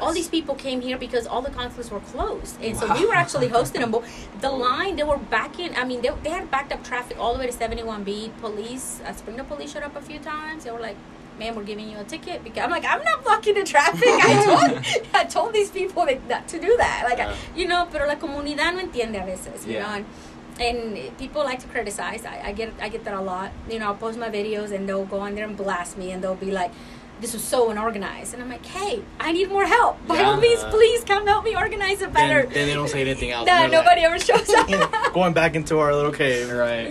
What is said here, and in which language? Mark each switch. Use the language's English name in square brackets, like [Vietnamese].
[English] All these people came here because all the consulates were closed. And so we were actually hosting them. The line, they were backing, I mean, they had backed up traffic all the way to 71B. Police, Springdale Police showed up a few times. They were like, man, we're giving you a ticket. Because I'm like, I'm not blocking the traffic. I told these people not to do that. Like, you know, [Spanish] pero la comunidad no entiende a veces, [English] you know? And people like to criticize. I get that a lot. You know, I'll post my videos and they'll go on there and blast me and they'll be like, this was so unorganized. And I'm like, hey, I need more help. By all means, please come help me organize it better. Then they don't say anything else. Nah, nobody ever shows up. Going back into our little cave, right?